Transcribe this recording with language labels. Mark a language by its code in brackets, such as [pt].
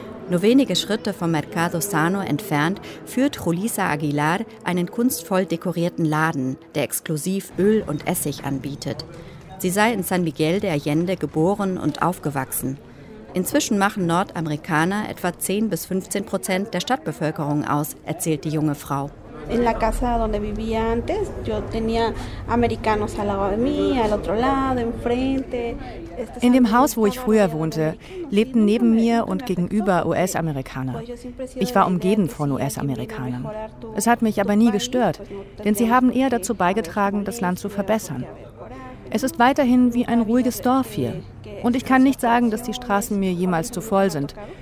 [de] Nur wenige Schritte vom Mercado Sano entfernt führt Julisa Aguilar einen kunstvoll dekorierten Laden, der exklusiv Öl und Essig anbietet. Sie sei in San Miguel de Allende geboren und aufgewachsen. Inzwischen machen Nordamerikaner etwa 10-15% der Stadtbevölkerung aus, erzählt die junge Frau. [es] In la casa donde vivía antes, yo tenía americanos al lado de mí, al otro lado, enfrente. [de] In dem Haus, wo ich früher wohnte, lebten neben mir und gegenüber US-Amerikaner. Ich war umgeben von US-Amerikanern. Es hat mich aber nie gestört, denn sie haben eher dazu beigetragen, das Land zu verbessern. Es ist weiterhin wie ein ruhiges Dorf hier. Und ich kann nicht sagen, dass die Straßen mir jemals zu voll sind.